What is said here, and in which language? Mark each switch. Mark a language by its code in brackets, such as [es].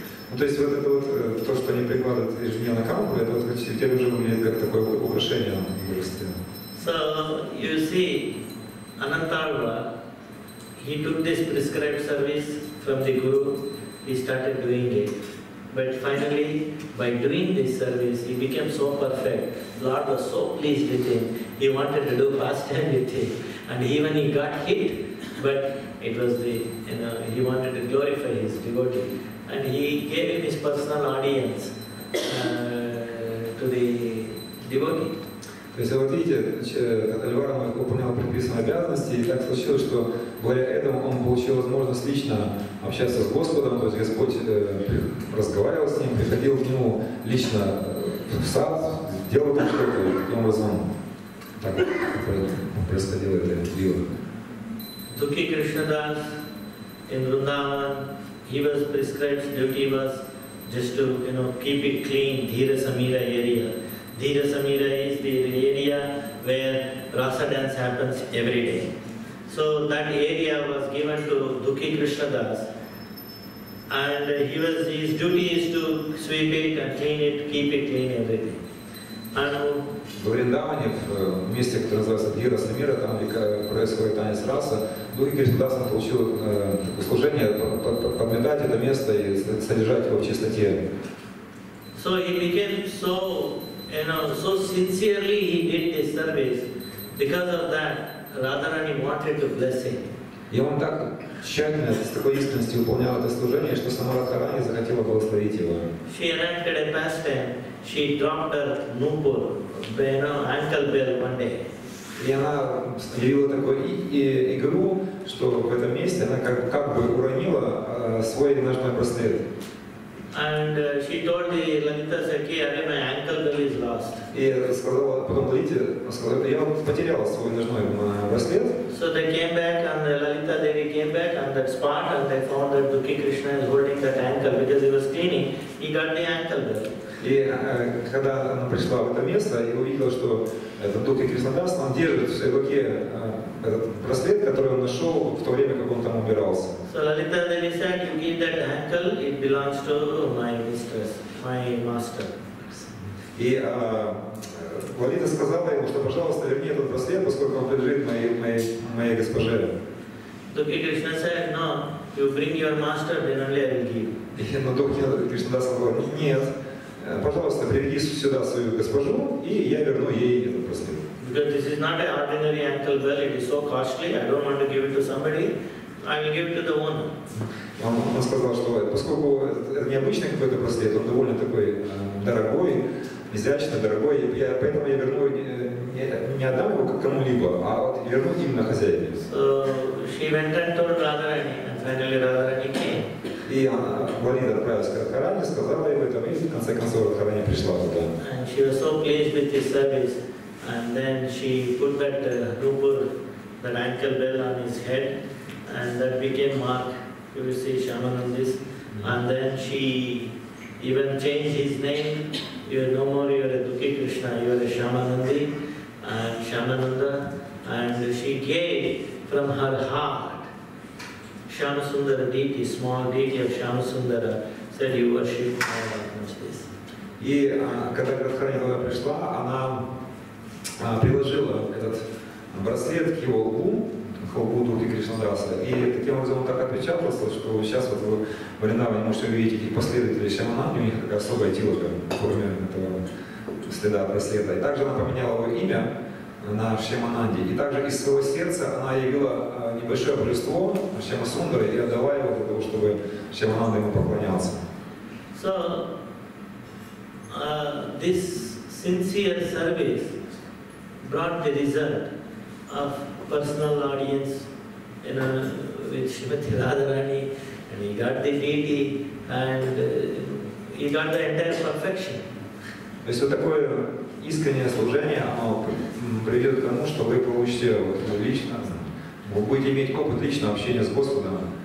[ru] Ну, то есть вот это вот то, что они прикладывают ежедневно камфору, это вот теперь уже выглядит как такое вот украшение вырастет. [en] So you see, Anantarva, he took this prescribed service from the guru, he started doing it. But finally, by doing this service, he became so perfect. Lord was so pleased with him. He wanted to do pastime with him. And even he got hit, but it was the, he wanted to glorify his devotee. And he gave him his personal audience to the devotee. [ru] То есть вот видите, Альварам выполнял предписанные обязанности, и так случилось, что благодаря этому он получил возможность лично общаться с Господом, то есть Господь разговаривал с ним, приходил к нему лично в сад, делал там что-то, и таким образом так происходило это дело. [en] Dukhi Krishnadas in Vrindavan, he was prescribed duty was just to, keep it clean, Dhira Samira area. Dhira Samira is the area where rasa dance happens every day. So that area was given to Dukhi Krishnadas. And his duty is to sweep it and clean it, keep it clean every day. And [ru] в Вриндаване, в месте, которое называется Дхира Самира, там происходит танец раса, Духи Кришнадаса получил служение подметать это место и содержать его в чистоте. [en] So he became so, so sincerely he did this service. Because of that, Radharani wanted to bless him. [ru] И он так тщательно, с такой искренностью выполнял это служение, что сама Радхарани захотела благословить его. [en] She enacted a pastime. She dropped her nupur, ankle bell one day. [ru] И она явила такую игру, что в этом месте она как бы уронила свой ножной браслет. [en] And she told the Lalita Sakhi, my ankle bell is lost. [ru] И сказала, потом Лалите, сказала, я потеряла свой ножной браслет. [en] So they came back and Lalita Devi came back on that spot and they found that Dukhi Krishna is holding that ankle because he was cleaning. He got the ankle bell. [ru] И когда она пришла в это место и увидела, что этот Дукхи Кришнадас он держит в своей руке этот браслет, который он нашел в то время, как он там убирался. [en] So Lalita Devi said, you give that ankle, it belongs to my mistress, my master. [ru] И Лалита сказала ему, что пожалуйста, верни этот браслет, поскольку он принадлежит моей госпоже. [en] Dukhi Krishna said, no, you bring your master, then only I will give. [ru] Но Дукхи Кришнадас сказал, нет. Пожалуйста, приведи сюда свою госпожу, и я верну ей эту браслет. [en] Because this is not an ordinary ankle bell, it is so costly, I don't want to give it to somebody, I will give it to the owner. [ru] Он сказал, что поскольку это необычный какой-то браслет, он довольно такой дорогой, изящно дорогой, поэтому я верну не отдам его кому-либо, а вот верну именно хозяину. [en] So she went and told Radharani, and finally Radharani came. [ru] И Валида отправилась к Радхарани, сказала ей об этом, и в конце концов Радхарани пришла туда. [en] And she was so pleased with his service, and then she put that rupur, that ankle bell on his head, and that became mark, you will see Shamanandis. And then she even changed his name, you are no more a Dukhi Krishna, you are a Shamanandi, and Shamananda, and she gave from her heart, Shama Sundara deity, small deity of Shama Sundara, said, you worship my likeness. [ru] И когда Радхарани пришла, она приложила этот браслет к его лбу, к лбу Дурги Кришнадаса, и таким образом он так отпечатался, что сейчас вот вы в Вриндаване можете увидеть этих последователей Шамананды, у них такая особая тилка в форме этого следа браслета. И также она поменяла его имя на Шьямананде. И также из своего сердца она явила небольшое божество Шьямасундара и отдала его для того, чтобы Шьямананда ему поклонялся. [en] So, this sincere service brought the result of personal audience in a, with Shrimati Radharani, and he got the deity, and he got the entire perfection. [ru] То есть вот такое искреннее служение, оно приведет к тому, что вы получите вот лично, вы будете иметь опыт личного общения с Господом.